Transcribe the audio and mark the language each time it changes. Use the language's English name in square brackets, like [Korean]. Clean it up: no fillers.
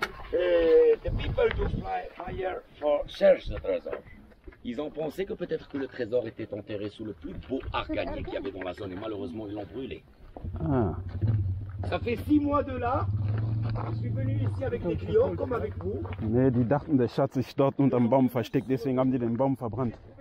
[English] The people do fly higher for search the treasure. [French] Ils ont pensé que peut-être que le trésor était enterré sous le plus beau arcanier qu'il y avait dans la zone et malheureusement ils l'ont brûlé. Ah. Ça fait 6 mois de là. Je suis venu ici avec des clients, comme avec vous. [German] Nee, die dachten, der Schatz ist dort unter dem Baum versteckt, deswegen haben die den Baum verbrannt.